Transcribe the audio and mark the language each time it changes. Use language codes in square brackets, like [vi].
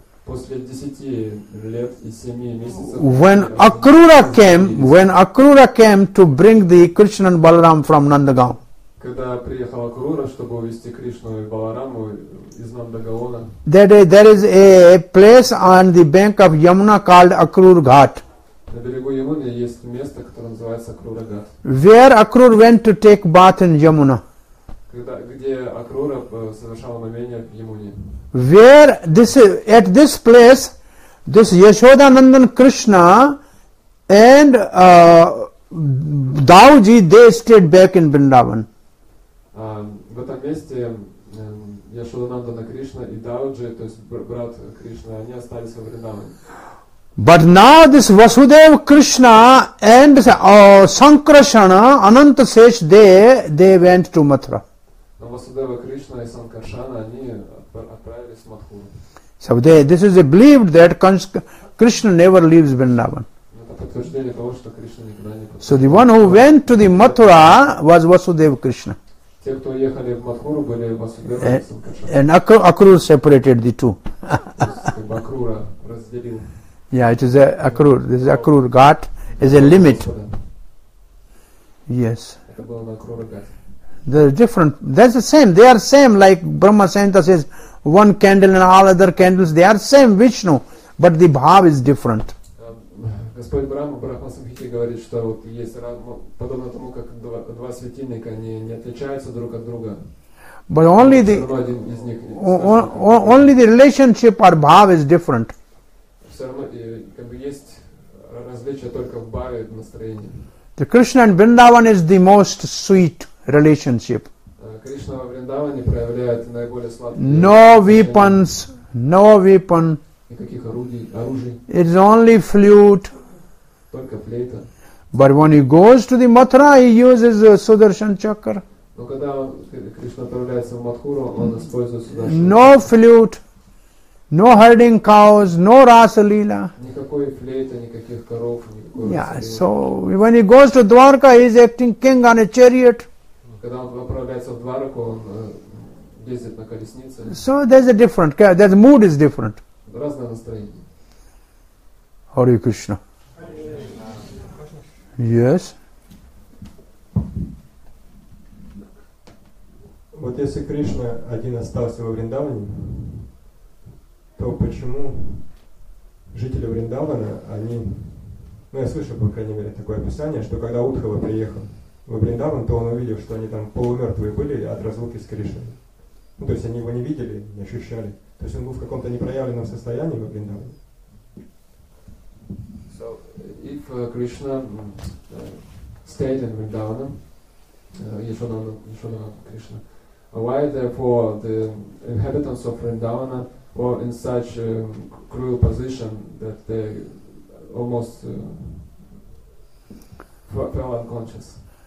[en] When Akrura came to bring the Krishna and Balaram from Nandagaon. [ru] Когда приехала Акрура, чтобы увезти Кришну и Балараму из Нандагаона. [en] There is a place on the bank of Yamuna called Akrur Ghat. [ru] На берегу Ямуны есть место, которое называется Акрура Ghat. [en] Where Akrur went to take bath in Yamuna. [ru] Где Акрура совершала омовение в Ямуне. [en] Where this at this place, this Yashoda Nandan Krishna and Dauji, they stayed back in Vrindavan. [ru] В этом месте Яшодананда Кришна и Дауджи, то есть брат Кришна, они остались во Вриндаване. [en] But now this Vasudev Krishna and Sankarsana, Ananta Sesh, they went to Mathura. [ru] Но Васудева Кришна и Санкаршана, они отправились в Матхуру. [en] So this is believed that Krishna never leaves Vrindavan. [ru] Это подтверждение того, что Кришна никогда не покидает. [en] So the one who went to the Mathura was Vasudev Krishna. [ru] Те, кто ехали в Матхуру, были Васудева и [en] Санкаршана. And Akrur separated the two. [ru] Акрура разделил. [en] Yeah, it is Akrur. This Akrur Ghat is a limit. Yes. [ru] Это было на Акрура Ghat. [en] They're different. That's the same. They are same. Like Brahma Santa says, one candle and all other candles, they are same Vishnu. But the Bhav is different. [ru] Господь Брахма Самхити говорит, что вот есть подобно тому, как два светильника, они не отличаются друг от друга. [en] But only the only the relationship or bhav is different. [ru] Все равно как бы есть различие только в бхаве, в настроении. [en] The Krishna and Vrindavan is the most sweet relationship. [ru] Кришна во Вриндаване проявляет наиболее сладкое. [en] No weapon. [ru] Никаких оружий. [en] It is only flute. [ru] Только флейта. [en] But when he goes to the Mathura, he uses Sudarshan Chakra. [ru] Но когда Кришна отправляется в Матхуру, он использует сюда. [en] No flute, no herding cows, no rasa lila. [ru] Никакой флейты, никаких коров, никакой. [en] Yeah, so when he goes to Dwarka, he is acting king on a chariot. [ru] Когда он отправляется в Дварку, он ездит на колеснице. [en] So there's a different, there's mood is different. [ru] Разное настроение. [en] Hare Krishna. Yes. [ru] Вот если Кришна один остался во Вриндаване, то почему жители Вриндавана, они, ну я слышал, по крайней мере, такое описание, что когда Удхава приехал во Вриндаван, то он увидел, что они там полумертвые были от разлуки с Кришной. Ну, то есть они его не видели, не ощущали. То есть он был в каком-то непроявленном состоянии во Вриндаване. [en] So, if Krishna stayed in Vrindavana, Yashoda Krishna, why therefore the inhabitants of Vrindavana were in such a cruel position that they almost fell unconscious?